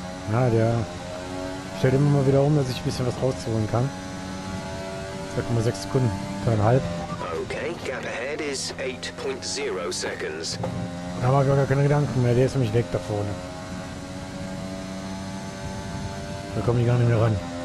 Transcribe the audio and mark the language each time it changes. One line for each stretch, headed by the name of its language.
German: Na, ja, der stellt immer mal wieder um, dass ich ein bisschen was rausholen kann. 2,6 Sekunden, 3,5.
English: Okay, gap ahead is 8.0 seconds.
German: Da haben wir gar keine Gedanken mehr, der ist nämlich weg da vorne. Da komme ich gar nicht mehr ran.